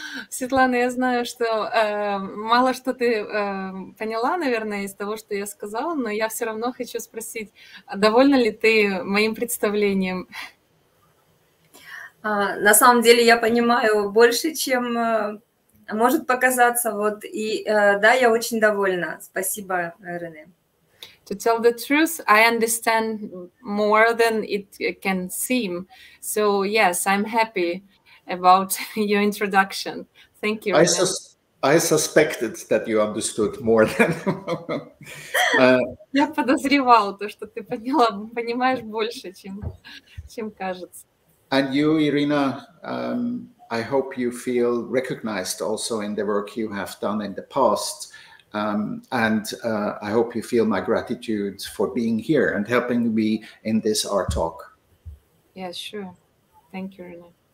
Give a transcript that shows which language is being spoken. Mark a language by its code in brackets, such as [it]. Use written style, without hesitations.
[ru] Светлана, я знаю, что мало что ты поняла, наверное, из того, что я сказала, но я все равно хочу спросить, довольна ли ты моим представлением? На самом деле я понимаю больше, чем может показаться. Вот, и да, я очень довольна. Спасибо, Рене. [en] To tell the truth, I understand more than it can seem. So yes, I'm happy about your introduction. Thank you. I, sus- I suspected that you understood more than. [ru] Я подозревал то, что ты поняла, понимаешь больше, чем кажется. [en] And you, Iryna, I hope you feel recognized also in the work you have done in the past. I hope you feel my gratitude for being here and helping me in this art talk. Yeah, sure. Thank you, Iryna.